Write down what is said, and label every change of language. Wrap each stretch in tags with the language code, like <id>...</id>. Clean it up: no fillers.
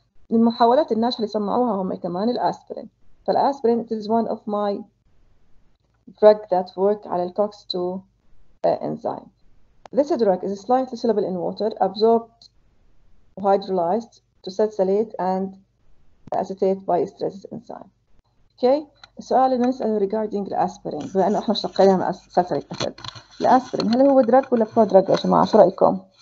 <ar>المحاولات الناجحة اللي صنعوها هم كمان الأسبرين فالأسبرين</ar> <en>it is one of my drug that work</en> <ar>على الـ COX-2 enzyme.</ar> <en>This drug is slightly soluble in water, absorbed hydrolyzed to salicylate and acetate by esterase enzyme.</en> <ar>Okay, السؤال اللي نسأله regarding الأسبرين بأنه احنا اشتقينها من salicylic acid. الأسبرين هل هو drug ولا pro-drug يا جماعة؟ شو رأيكم؟</ar>